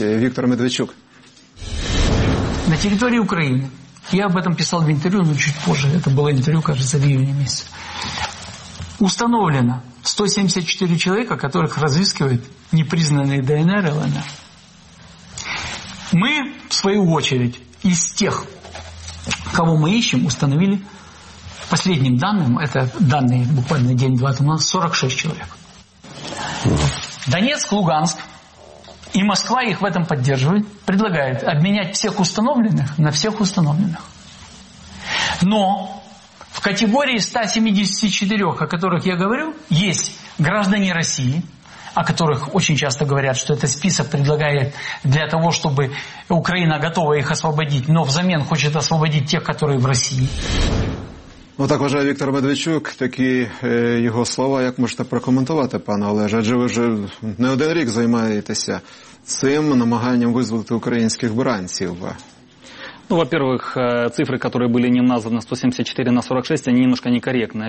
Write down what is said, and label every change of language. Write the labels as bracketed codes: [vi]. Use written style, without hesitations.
[uk] Віктор Медведчук. На території України, я об этом писав в інтерв'ю, але чуть позже, це було інтерв'ю, кажеться, в лютому місяці, установлено 174 чоловіка, яких розвискують непризнаний ДНР і ЛНР. [ru] Мы, в свою очередь, из тех, кого мы ищем, установили, последним данным, это данные буквально день-два тому назад, 46 человек. Донецк, Луганск и Москва их в этом поддерживают, предлагают обменять всех установленных на всех установленных. Но в категории 174, о которых я говорю, есть граждане России, о которых очень часто говорят, что этот список предлагает для того, чтобы Украина готова их освободить, но взамен хочет освободить тех, которые в России. [uk] Ну, так вважає Віктор Медведчук, такі його слова, як можете прокоментувати, пане Олеже? Адже ви вже не один рік займаєтеся цим намаганням визволити українських бранців. [ru] Ну, во-первых, цифры, которые были не названы 174/46, они немножко некорректные.